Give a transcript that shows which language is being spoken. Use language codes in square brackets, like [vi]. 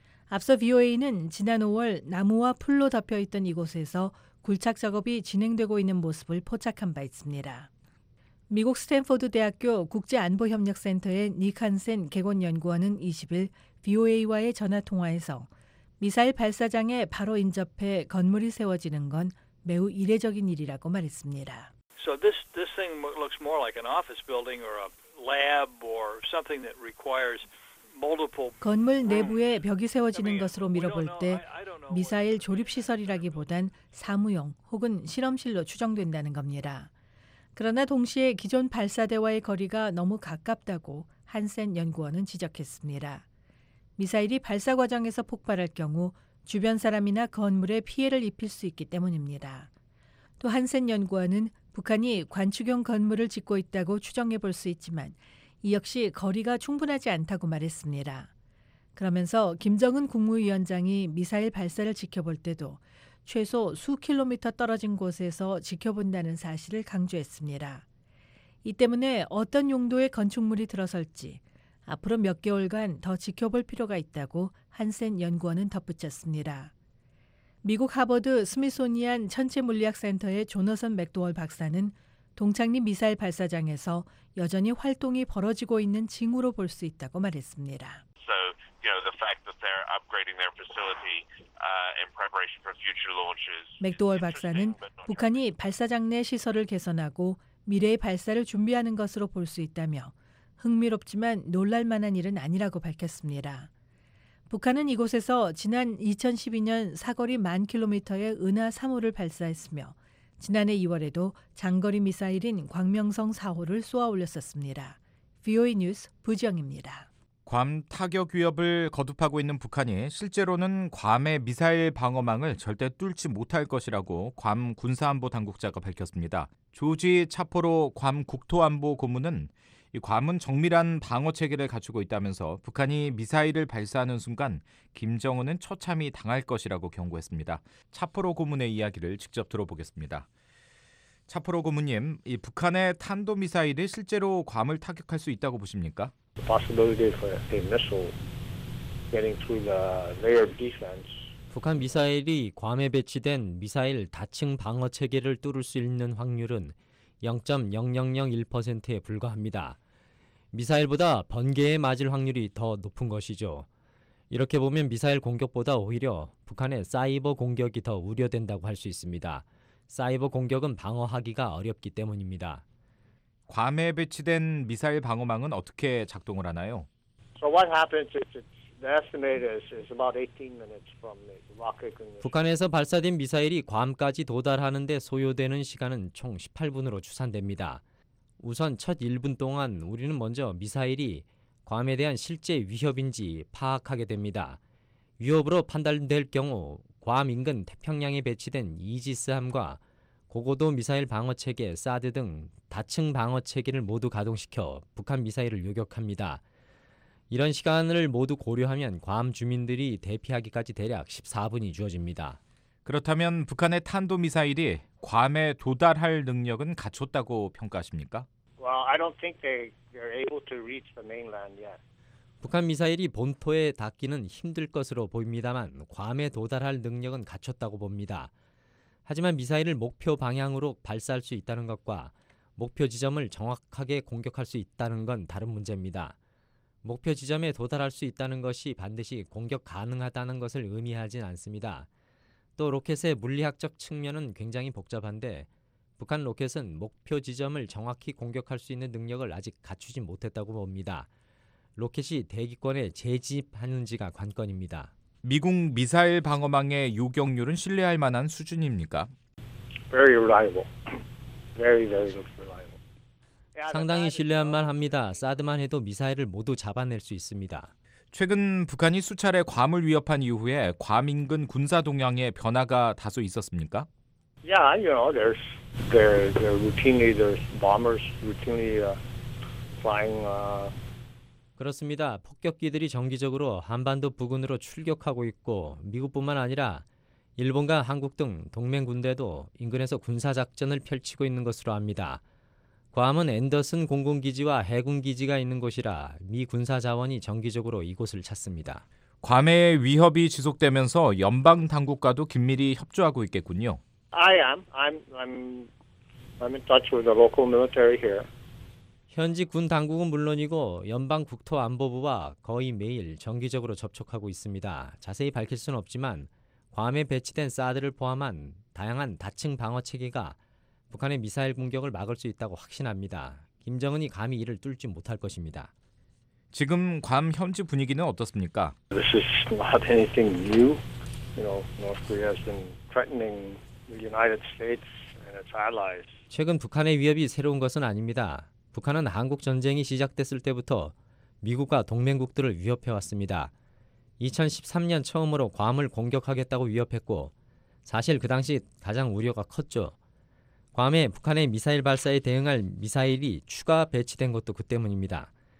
[ko] 앞서 VOA는 지난 5월 나무와 풀로 덮여 있던 이곳에서 굴착 작업이 진행되고 있는 모습을 포착한 바 있습니다. 미국 스탠퍼드 대학교 국제안보협력센터의 니칸센 객원연구원은 20일 VOA와의 전화통화에서 미사일 발사장에 바로 인접해 건물이 세워지는 건 매우 이례적인 일이라고 말했습니다. [en] So this thing looks more like an office building or a lab or something that requires multiple. [ko] 건물 내부에 벽이 세워지는 것으로 미뤄볼 때 미사일 조립시설이라기보단 사무용 혹은 실험실로 추정된다는 겁니다. 그러나 동시에 기존 발사대와의 거리가 너무 가깝다고 한센 연구원은 지적했습니다. 미사일이 발사 과정에서 폭발할 경우 주변 사람이나 건물에 피해를 입힐 수 있기 때문입니다. 또 한센 연구원은 북한이 관측용 건물을 짓고 있다고 추정해 볼 수 있지만 이 역시 거리가 충분하지 않다고 말했습니다. 그러면서 김정은 국무위원장이 미사일 발사를 지켜볼 때도 최소 수킬로미터 떨어진 곳에서 지켜본다는 사실을 강조했습니다. 이 때문에 어떤 용도의 건축물이 들어설지 앞으로 몇 개월간 더 지켜볼 필요가 있다고 한센 연구원은 덧붙였습니다. 미국 하버드 스미소니안 천체물리학센터의 조너선 맥도월 박사는 동창리 미사일 발사장에서 여전히 활동이 벌어지고 있는 징후로 볼 수 있다고 말했습니다. [en] So, you know, the fact that they're upgrading their facility in preparation for future launches. [ko] 맥도월 박사는 북한이 발사장 내 시설을 개선하고 미래의 발사를 준비하는 것으로 볼 수 있다며 흥미롭지만 놀랄 만한 일은 아니라고 밝혔습니다. 북한은 이곳에서 지난 2012년 사거리 1만 킬로미터의 은하 3호를 발사했으며 지난해 2월에도 장거리 미사일인 광명성 4호를 쏘아올렸었습니다. VOA 뉴스 부지영입니다. 괌 타격 위협을 거듭하고 있는 북한이 실제로는 괌의 미사일 방어망을 절대 뚫지 못할 것이라고 괌 군사안보 당국자가 밝혔습니다. 조지 차포로 괌 국토안보 고문은 이 괌은 정밀한 방어체계를 갖추고 있다면서 북한이 미사일을 발사하는 순간 김정은은 처참히 당할 것이라고 경고했습니다. 차포로 고문의 이야기를 직접 들어보겠습니다. 차포로 고문님, 이 북한의 탄도미사일이 실제로 괌을 타격할 수 있다고 보십니까? [en] The possibility for a missile getting through the layer of defense. [ko] 북한 미사일이 괌에 배치된 미사일 다층 방어체계를 뚫을 수 있는 확률은 0.0001%에 불과합니다. 미사일보다 번개에 맞을 확률이 더 높은 것이죠. 이렇게 보면 미사일 공격보다 오히려 북한의 사이버 공격이 더 우려된다고 할 수 있습니다. 사이버 공격은 방어하기가 어렵기 때문입니다. 괌에 배치된 미사일 방어망은 어떻게 작동을 하나요? [en] So what happens is the estimate is about 18 minutes from the rocket ignition. [ko] 북한에서 발사된 미사일이 괌까지 도달하는 데 소요되는 시간은 총 18분으로 추산됩니다. 우선 첫 1분 동안 우리는 먼저 미사일이 괌에 대한 실제 위협인지 파악하게 됩니다. 위협으로 판단될 경우 괌 인근 태평양에 배치된 이지스함과 고고도 미사일 방어체계 사드 등 다층 방어체계를 모두 가동시켜 북한 미사일을 요격합니다. 이런 시간을 모두 고려하면 괌 주민들이 대피하기까지 대략 14분이 주어집니다. 그렇다면 북한의 탄도미사일이 괌에 도달할 능력은 갖췄다고 평가하십니까? [en] Well, I don't think they're able to reach the mainland yet. [ko] 북한 미사일이 본토에 닿기는 힘들 것으로 보입니다만 괌에 도달할 능력은 갖췄다고 봅니다. 하지만 미사일을 목표 방향으로 발사할 수 있다는 것과 목표 지점을 정확하게 공격할 수 있다는 건 다른 문제입니다. 목표 지점에 도달할 수 있다는 것이 반드시 공격 가능하다는 것을 의미하진 않습니다. 또 로켓의 물리학적 측면은 굉장히 복잡한데 북한 로켓은 목표 지점을 정확히 공격할 수 있는 능력을 아직 갖추지 못했다고 봅니다. 로켓이 대기권에 재진입하는지가 관건입니다. 미국 미사일 방어망의 요격률은 신뢰할 만한 수준입니까? [en] Very reliable. Very, very reliable. [ko] 상당히 신뢰할 만합니다. 사드만 해도 미사일을 모두 잡아낼 수 있습니다. 최근 북한이 수차례 괌을 위협한 이후에 괌 인근 군사 동향에 변화가 다소 있었습니까? [en] Yeah, you know, there's routinely there's bombers routinely flying. [ko] 그렇습니다. 폭격기들이 정기적으로 한반도 부근으로 출격하고 있고 미국뿐만 아니라 일본과 한국 등 동맹 군대도 인근에서 군사 작전을 펼치고 있는 것으로 압니다. 괌은 앤더슨 공군기지와 해군기지가 있는 곳이라 미 군사 자원이 정기적으로 이곳을 찾습니다. 괌의 위협이 지속되면서 연방 당국과도 긴밀히 협조하고 있겠군요. [en] I'm in touch with the local military here. [ko] 현지 군 당국은 물론이고 연방 국토안보부와 거의 매일 정기적으로 접촉하고 있습니다. 자세히 밝힐 수는 없지만 괌에 배치된 사드를 포함한 다양한 다층 방어 체계가 북한의 미사일 공격을 막을 수 있다고 확신합니다. 김정은이 감히 이를 뚫지 못할 것입니다. 지금 괌 현지 분위기는 어떻습니까? [en] This is not anything new. You know, North Korea has been threatening the United States and its allies. [ko] 최근 북한의 위협이 새로운 것은 아닙니다. 북한은 한국 전쟁이 시작됐을 때부터 미국과 동맹국들을 위협해 왔습니다. 2013년 처음으로 괌을 공격하겠다고 위협했고 사실 그 당시 가장 우려가 컸죠. 괌에 북한의 미사일 발사에 대응할 미사일이 추가 배치된 것도 그 때문입니다.